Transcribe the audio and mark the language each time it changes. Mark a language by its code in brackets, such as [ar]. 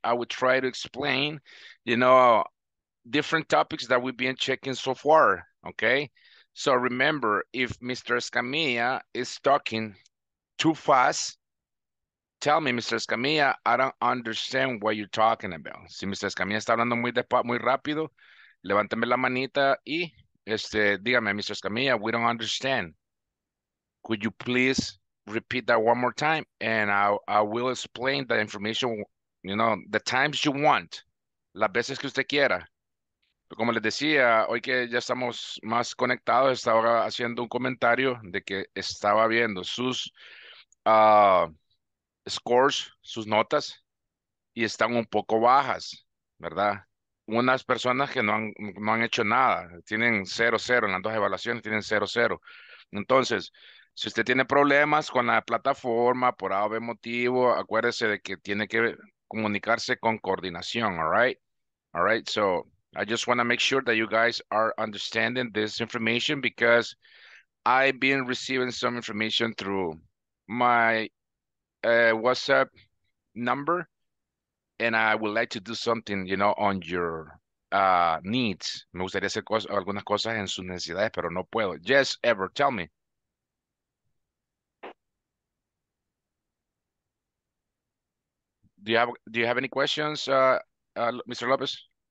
[en] I will try to explain, you know, different topics that we've been checking so far. Okay. So remember, if Mr. Escamilla is talking too fast, tell me, Mr. Escamilla, I don't understand what you're talking about. [es] Si Mr. Escamilla está hablando muy despacio, muy rápido, levánteme la manita y dígame, Mr. [en] Escamilla, we don't understand. Could you please repeat that one more time? And I will explain the information, you know, the times you want, [es] las veces que usted quiera. Como les decía, hoy que ya estamos más conectados, estaba haciendo un comentario de que estaba viendo sus scores, sus notas, y están un poco bajas, ¿verdad? Unas personas que no han hecho nada, tienen 0-0 en las dos evaluaciones, tienen 0-0. Entonces, si usted tiene problemas con la plataforma por A o B motivo, acuérdese de que tiene que comunicarse con coordinación, [en] all right? All right, so I just want to make sure that you guys are understanding this information because I've been receiving some information through my WhatsApp number, and I would like to do something, you know, on your needs. [es] Me gustaría hacer algunas cosas en sus necesidades, pero no puedo. [en] Yes, Ever, tell me. Do you have any questions, Mr. Lopez?